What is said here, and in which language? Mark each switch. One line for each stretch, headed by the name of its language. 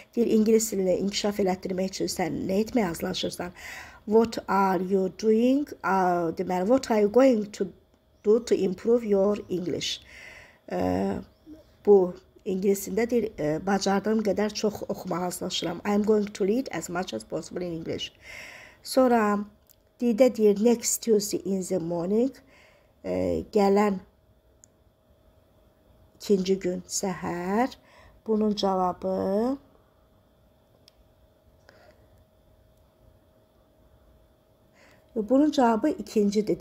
Azerbaijani: Deyir, İngiliz dilini inkişaf elətdirmək üçün sən nə etməyə hazırlaşırsan?
English: What are you doing?
Azerbaijani: Deməli,
English: what are you going to do to improve your English?
Azerbaijani: Bu İngilisində deyir, bacardığım qədər çox oxumağa hazırlaşıram.
English: I'm going to read as much as possible in English.
Azerbaijani: Sonra, D-də deyir,
English: next Tuesday in the morning.
Azerbaijani: Gələn İkinci gün səhər. Bunun cavabı ikincidir.